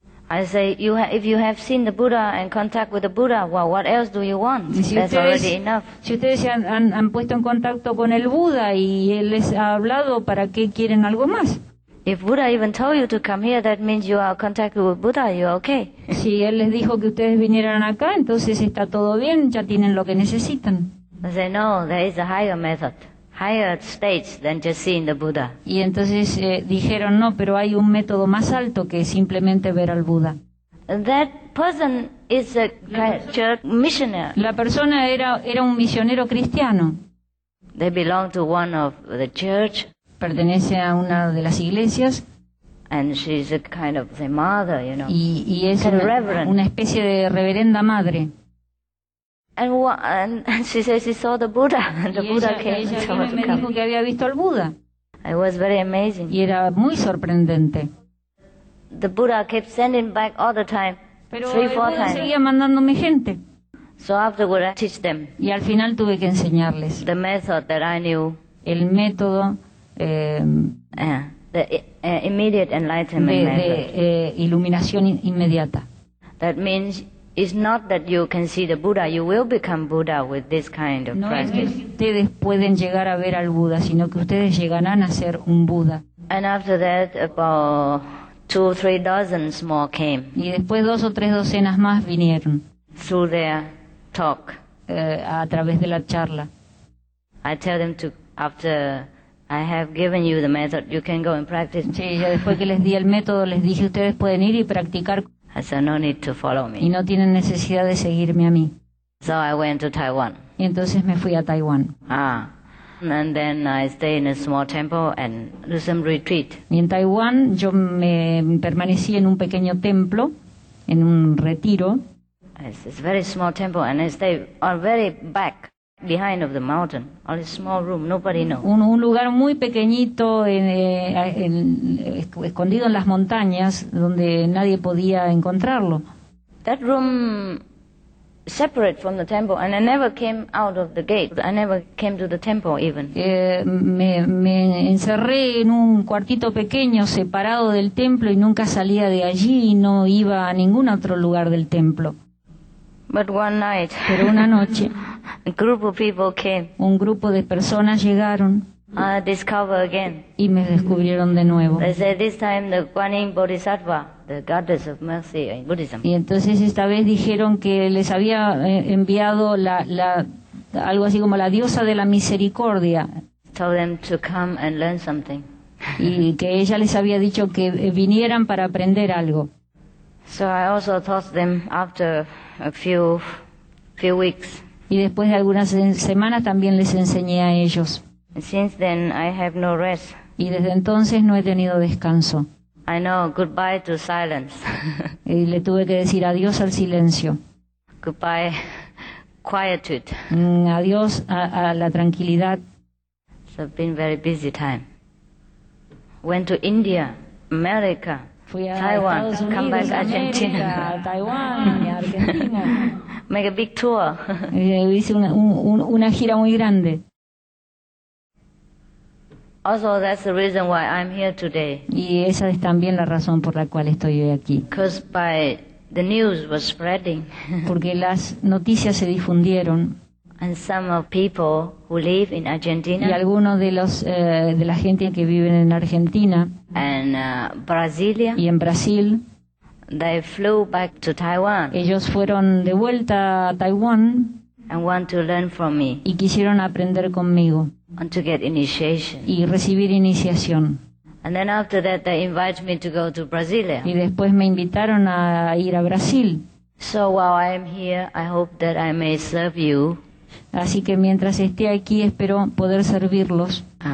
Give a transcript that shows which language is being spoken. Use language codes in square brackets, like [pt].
[en] I say, if you have seen the Buddha and contact with the Buddha, well, what else do you want? That's already enough. [es] Si ustedes se han puesto en contacto con el Buda y él les ha hablado, ¿para qué quieren algo más? [en] If Buddha even told you to come here, that means you are in contact with Buddha, you're okay. [es] Si él les dijo que ustedes vinieran acá, entonces está todo bien, ya tienen lo que necesitan. [en] I say, no, there is a higher method, higher stage than just seeing the Buddha. [es] Y entonces dijeron, no, pero hay un método más alto que simplemente ver al Buddha. [en] That person is a church missionary. [es] La persona era un misionero cristiano. [en] They belong to one of the church. [es] Pertenece a una de las iglesias. [en] And she's a kind of the mother, you know. [es] Y es una especie de reverenda madre. [en] And she says she saw the Buddha. The Buddha came. [es] Ella me dijo que había visto al Buda. [en] It was very amazing. [es] Y era muy sorprendente. [en] The Buddha kept sending back all the time, [es] pero [en] three, four times. [es] Pero seguía mandándome gente. [en] So afterward, I teach them. [es] Y al final tuve que enseñarles. [en] The method that I knew. [es] El método. [en] Immediate enlightenment method. [es] De iluminación inmediata. [en] That means. It's not that you can see the Buddha, you will become Buddha with this kind of practice. [es] No es que ustedes pueden llegar a ver al Buda, sino que ustedes llegarán a ser un Buda. [en] And after that, about 2 or 3 dozens more came. [es] Y después 2 o 3 docenas más vinieron. [en] Through their talk. [es] A través de la charla. [en] I tell them to, after I have given you the method, you can go and practice. [es] Sí, ya después que les di el método, les dije, ustedes pueden ir y practicar. [en] I said, no need to follow me. [es] Y no tienen necesidad de seguirme a mí. [en] So I went to Taiwan. [es] Y entonces me fui a Taiwán. Ah. [en] And then I stayed in a small temple and did some retreat. [es] Y en Taiwán yo me permanecí en un pequeño templo, en un retiro. [en] It's a very small temple and I stayed on very back, behind of the mountain, on a small room, nobody knows. [es] Un lugar muy pequeñito, escondido en las montañas, donde nadie podía encontrarlo. [en] That room, separate from the temple, and I never came out of the gate. I never came to the temple even. [es] Me encerré en un cuartito pequeño, separado del templo, y nunca salía de allí, y no iba a ningún otro lugar del templo. [en] But one night. [es] Pero una noche. [en] A group of people came. [es] Un grupo de personas llegaron. [en] I discover again. [es] Y me descubrieron de nuevo. [en] They said this time the Kuan Yin Bodhisattva, the goddess of mercy in Buddhism. [es] Y entonces esta vez dijeron que les había enviado la algo así como la diosa de la misericordia. [en] Told them to come and learn something. [es] Y que ella les había dicho que vinieran para aprender algo. [en] So I also taught them after a few weeks. [es] Y después de algunas semanas también les enseñé a ellos. [en] Since then, I have no rest. [es] Y desde entonces no he tenido descanso. [en] I know, goodbye to silence. [es] Y le tuve que decir adiós al silencio. [en] Goodbye, quietude. [es] Adiós a la tranquilidad. [en] It's been a very busy time. Went to India, America, [es] fui a [en] Taiwan, [es] Estados Unidos, [en] come back Argentina. [es] América, Taiwán, Argentina. [en] Make a big tour. [es] Hice una gira muy grande. [en] Also, that's the reason why I'm here today. [es] Y esa es también la razón por la cual estoy hoy aquí. [en] Because by the news was spreading. [es] Porque las noticias se difundieron. [en] And some of people who live in Argentina. [es] Y algunos de los de la gente que viven en Argentina. [en] And Brasilia. [es] Y en Brasil. [en] They flew back to Taiwan. [es] Ellos fueron de vuelta a Taiwán. [en] And want to learn from me. [es] Y quisieron aprender conmigo. [en] And to get initiation. [es] Y recibir iniciación. [en] And then after that, they invited me to go to Brasilia. [es] Y después me invitaron a ir a Brasil. [en] So while I am here, I hope that I may serve you. [es] Así que mientras esté aquí, espero poder servirlos.